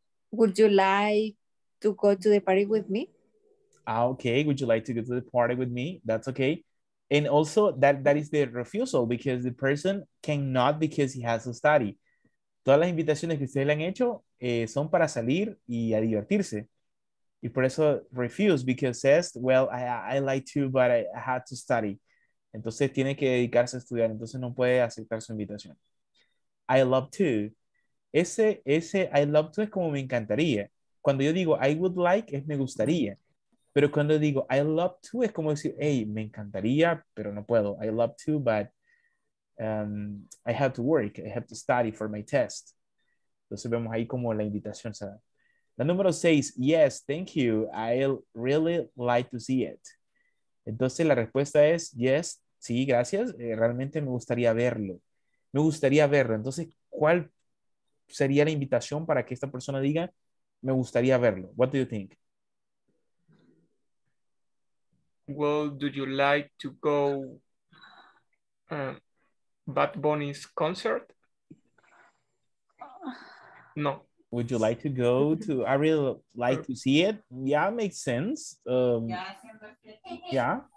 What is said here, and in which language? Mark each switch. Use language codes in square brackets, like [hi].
[en] Would you like to go to the party with me? Ah, okay. Would you like to go to the party with me? That's okay. And also that is the refusal because the person cannot because he has to study. [es] Todas las invitaciones que ustedes le han hecho son para salir y a divertirse. Y por eso [en] refuse, because says, well, I like to, but I had to study. [es] Entonces tiene que dedicarse a estudiar, entonces no puede aceptar su invitación. [en] I love to. [es] Ese I love to es como me encantaría. Cuando yo digo [en] I would like, [es] es me gustaría. Pero cuando digo [en] I love to, [es] es como decir, hey, me encantaría, pero no puedo. [en] I love to, but I have to work. I have to study for my test. [es] Entonces vemos ahí como la invitación se da. La número seis, [en] yes, thank you. I'll really like to see it. [es] Entonces la respuesta es, yes, sí, gracias. Realmente me gustaría verlo. Me gustaría verlo. Entonces, ¿cuál sería la invitación para que esta persona diga, me gustaría verlo? [en] What do you think? Well, do you like to go Bad Bunny's concert? No. Would you like to go to, I really like to see it. Yeah, makes sense. Yeah,